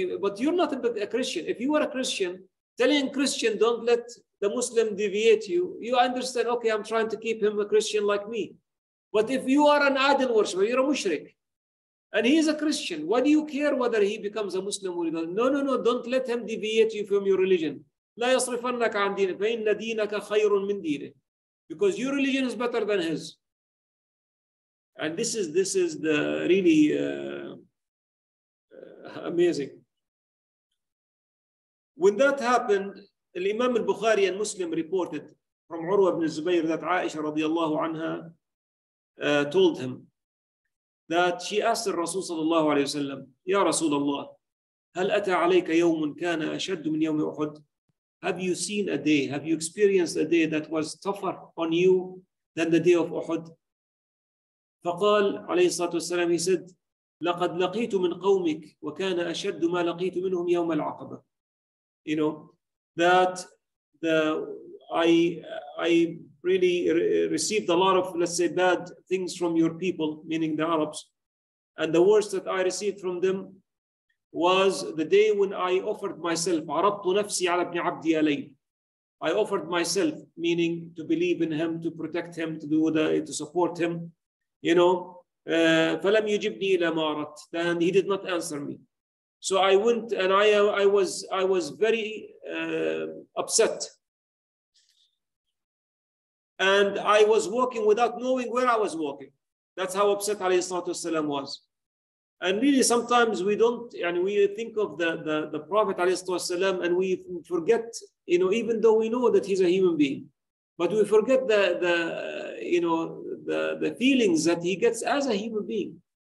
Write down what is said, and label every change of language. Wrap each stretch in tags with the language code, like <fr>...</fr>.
<en>But you're not a Christian. If you were a Christian, telling Christian, don't let the Muslim deviate you, you understand, okay, I'm trying to keep him a Christian like me. But if you are an idol worshiper, you're a mushrik, and he is a Christian, why do you care whether he becomes a Muslim or not? No, don't let him deviate you from your religion.</en> <ar>لا يصرفنك عن دينك فإن دينك خير من دينه.</ar> <en>Because your religion is better than his. And this is the really amazing. When that happened, Imam al-Bukhari and Muslim reported from Urwa ibn Zubayr that Aisha radiallahu anha told him that she asked Rasul sallallahu alayhi wa sallam, Ya Rasulallah,</en> <ar>هل أتى عليك يوم كان أشد من يوم أحد?</ar> <en>Have you seen a day? Have you experienced a day that was tougher on you than the day of Uhud?</en> <ar>فقال عليه الصلاة والسلام,</ar> <en>he said,</en> <ar>لقد لقيت من قومك وكان أشد ما لقيت منهم يوم العقبة.</ar> <en>You know, that I really received a lot of, let's say, bad things from your people, meaning the Arabs. And the worst that I received from them was the day when I offered myself,</en> <ar>عرضت نفسي على ابن عبد علي.</ar> <en>I offered myself, meaning to believe in him, to protect him, to support him. You know,</en> <ar>فلم يجبني إلى ما أردت.</ar> <en>Then he did not answer me. So I went and I was very upset. And I was walking without knowing where I was walking. That's how upset عليه الصلاة والسلام was. And really sometimes we don't, and we think of the Prophet عليه الصلاة والسلام and we forget, you know, even though we know that he's a human being, but we forget the you know, the feelings that he gets as a human being.</en>